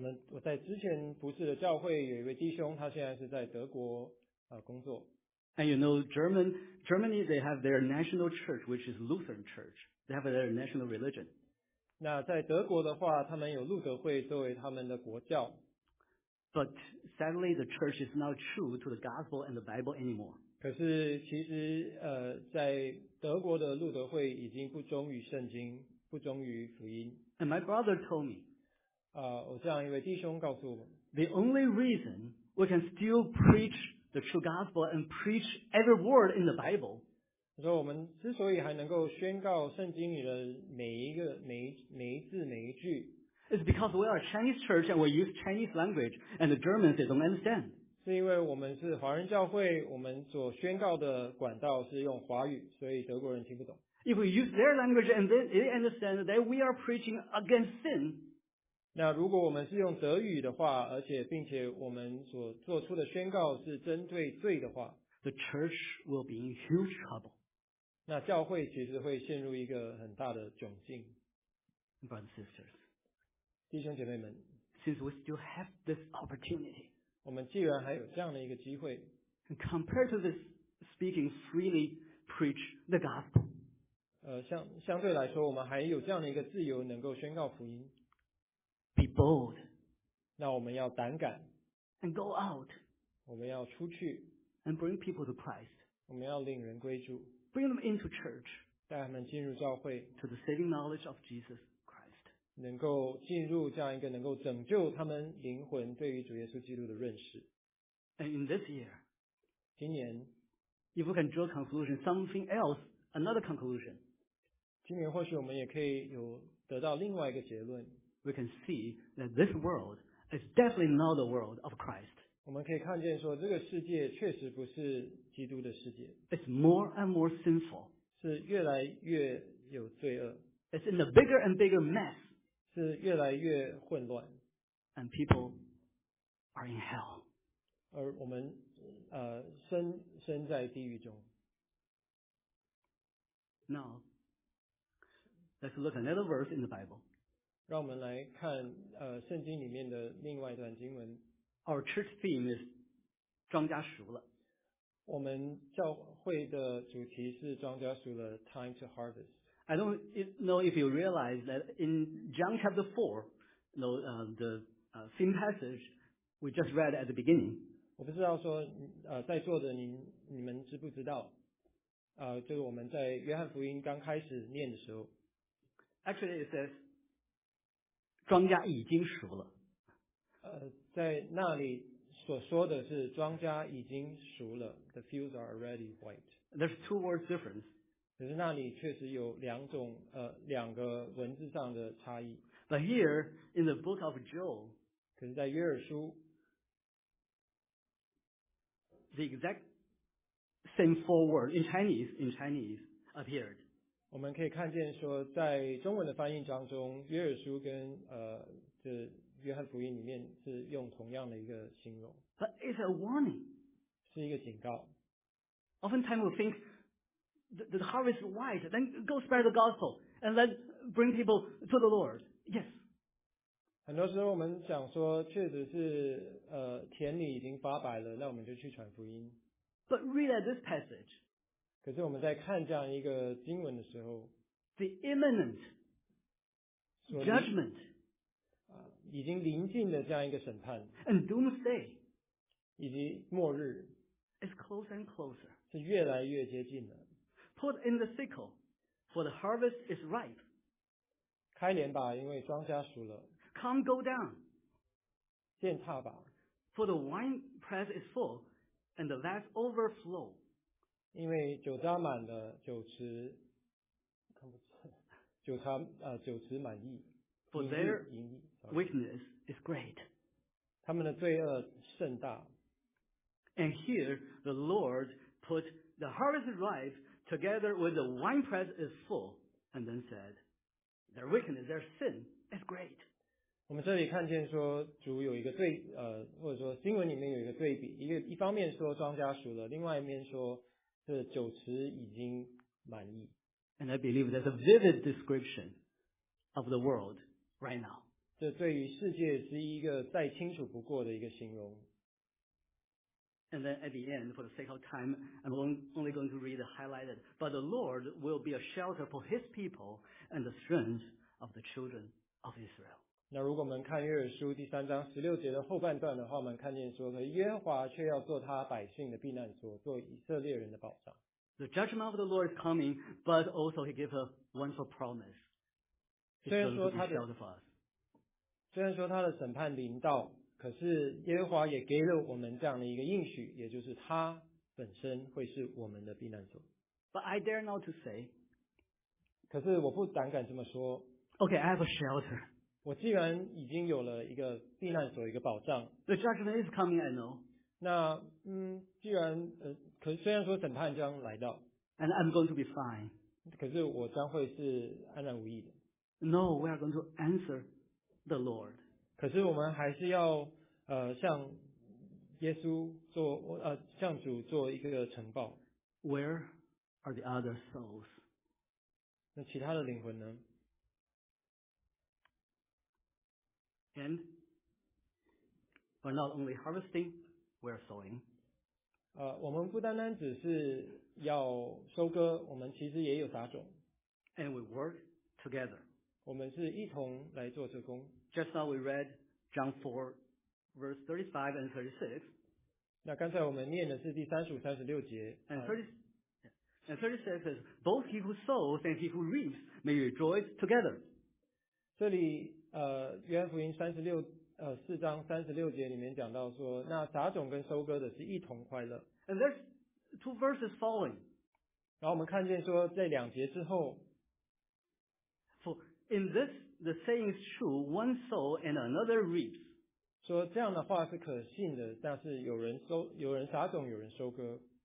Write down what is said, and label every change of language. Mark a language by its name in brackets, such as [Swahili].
[Chinese] 我在之前服侍的教会有一位弟兄，他现在是在德国工作。 [English] And you know, Germany, they have their national church, which is Lutheran church. They have their national religion. [Chinese] 那在德国的话，他们有路德会作为他们的国教。 [English] But sadly, the church is not true to the gospel and the Bible anymore. [Chinese] 可是其实在德国的路德会已经不忠于圣经，不忠于福音。 [English] And my brother told me, [Chinese] 我这样一位弟兄告诉我 [English] the only reason we can still preach the true gospel and preach every word in the Bible. [Chinese] 他说我们之所以还能够宣告圣经里的每一个每一字每一句 [English] It's because we are a Chinese church and we use Chinese language, and the Germans they don't understand. [Chinese] 是因为我们是华人教会，我们所宣告的管道是用华语，所以德国人听不懂。 [English] If we use their language and then they understand that we are preaching against sin. [Chinese] 那如果我们是用德语的话，而且并且我们所做出的宣告是针对罪的话， [English] the church will be in huge trouble. [Chinese] 那教会其实会陷入一个很大的窘境。 [English] Brothers and sisters. [Chinese] 弟兄姐妹们， [English] Since we still have this opportunity, [Chinese] 我们既然还有这样的一个机会， [English] compared to this speaking freely preach the gospel, [Chinese] 相对来说我们还有这样的一个自由能够宣告福音， [English] be bold, [Chinese] 那我们要胆敢， [English] and go out, [Chinese] 我们要出去， [English] and bring people to Christ, [Chinese] 我们要领人归主， [English] bring them into church, [Chinese] 带他们进入教会， [English] to the saving knowledge of Jesus. [Chinese] 能够进入这样一个能够拯救他们灵魂对于主耶稣基督的认识。 [English] And in this year, [Chinese] 今年 [English] if we can draw conclusion, something else, another conclusion, [Chinese] 今年或许我们也可以有得到另外一个结论。 [English] We can see that this world is definitely not the world of Christ. [Chinese] 我们可以看见说这个世界确实不是基督的世界。 [English] It's more and more sinful. [Chinese] 是越来越有罪恶。 [English] It's in a bigger and bigger mess. [Chinese] 是越来越混乱， [English] and people are in hell. [Chinese] 而我们身在地狱中。 [English] Now, let's look another verse in the Bible. [Chinese] 让我们来看圣经里面的另外一段经文。 [English] Our church theme is [Chinese] 庄稼熟了。我们教会的主题是庄稼熟了， [English] time to harvest. I don't know if you realize that in John chapter 4, you know, the same passage we just read at the beginning. [Chinese] 我不知道说在座的你们知不知道就是我们在约翰福音刚开始念的时候。 [English] Actually, it says, [Chinese] 庄稼已经熟了。在那里所说的是庄稼已经熟了。 [English] The fields are already white. There's two words difference. [Chinese] 可是那里确实有两种两个文字上的差异。 [English] But here in the book of Joel, [Chinese] 可是在约珥书 [English] ，the exact same four word in Chinese appeared. [Chinese] 我们可以看见说，在中文的翻译当中，约珥书跟这约翰福音里面是用同样的一个形容。 [English] But it's a warning. [Chinese] 是一个警告。 [English] Oftentimes we think. The harvest is white, then go spread the gospel and let bring people to the Lord. Yes. [Chinese] 很多时候我们想说确实是田里已经发白了，那我们就去传福音。 [English] But read at this passage. [Chinese] 可是我们在看这样一个经文的时候， [English] The imminent judgment. [Chinese] 已经临近的这样一个审判， [English] And doomsday. [Chinese] 以及末日， [English] It's closer and closer. [Chinese] 是越来越接近了。 [English] Put in the sickle, for the harvest is ripe. [Chinese] 开镰吧，因为庄稼熟了。 [English] Come, go down. [Chinese] 践踏吧。 [English] For the wine press is full, and the vats overflow. [Chinese] 因为酒渣满了，酒池看不见，酒坛酒池满溢。 [English] For their wickedness is great. [Chinese] 他们的罪恶甚大。 [English] And here the Lord put the harvest is ripe. Together with the wine press is full, and then said, their wickedness, their sin is great. [Chinese] 我们这里看见说主有一个对或者说经文里面有一个对比，一方面说庄稼熟了，另外一面说这酒池已经满溢。 [English] And I believe that's a vivid description of the world right now. [Chinese] 这对于世界是一个再清楚不过的一个形容。 [English] And then at the end, for the sake of time, I'm only going to read the highlighted. But the Lord will be a shelter for His people and the strength of the children of Israel. [Chinese] 那如果我们看约珥书第三章十六节的后半段的话，我们看见说，耶和华却要做他百姓的避难所，做以色列人的保障。 [English] The judgment of the Lord is coming, but also He gives a wonderful promise. [Chinese] 虽然说他的审判临到。可是耶和华也给了我们这样的一个应许，也就是他本身会是我们的避难所。 [English] But I dare not to say. [Chinese] 可是我不胆敢这么说。 [English] Okay, I have a shelter. [Chinese] 我既然已经有了一个避难所，一个保障。 [English] The judgment is coming, I know. [Chinese] 那既然可虽然说审判将来到。 [English] And I'm going to be fine. [Chinese] 可是我将会是安然无益的。 [English] No, we are going to answer the Lord. [Chinese] 可是我们还是要向耶稣做向主做一个呈报。 [English] Where are the other souls? [Chinese] 那其他的灵魂呢？ [English] And we're not only harvesting, we're sowing. [Chinese] 我们不单单只是要收割，我们其实也有撒种。 [English] And we work together. [Chinese] 我们是一同来做这工。 [English] Just now we read John 4, verse 35 and 36. [Chinese] 那刚才我们念的是第35、36节。 [English] And 36 says, both he who sows and he who reaps may rejoice together. [Chinese] 这里约翰福音四章三十六节里面讲到说，那撒种跟收割的是一同快乐。 [English] And there's two verses following. [Chinese] 然后我们看见说，在两节之后 [English] ，For in this the saying is true, one sow and another reaps. [Chinese] 说这样的话是可信的，但是有人收，有人撒种，有人收割。